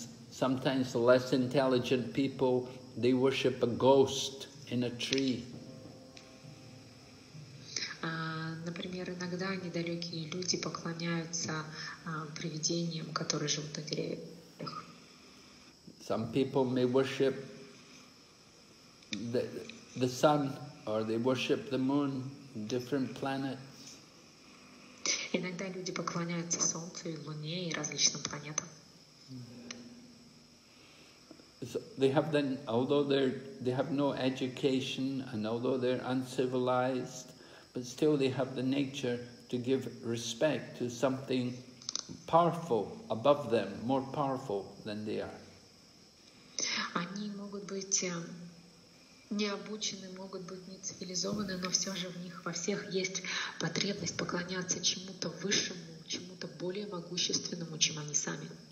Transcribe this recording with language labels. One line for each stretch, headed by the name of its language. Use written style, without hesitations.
English: Sometimes less intelligent people, they worship a ghost in a tree.
Russian: Например, иногда недалекие люди поклоняются привидениям, которые живут на деревьях.
English: Some people may worship the sun, or they worship the moon, different planets.
Russian: Иногда люди поклоняются Солнцу и Луне и различным планетам.
English: So they have then, although they have no education and although they're uncivilized, but still they have the nature to give respect to something powerful above them, more powerful than they are.
Russian: Они могут быть необученные, могут быть нецивилизованные, но все же в них во всех есть потребность поклоняться чему-то высшему, чему-то более могущественному, чем они сами.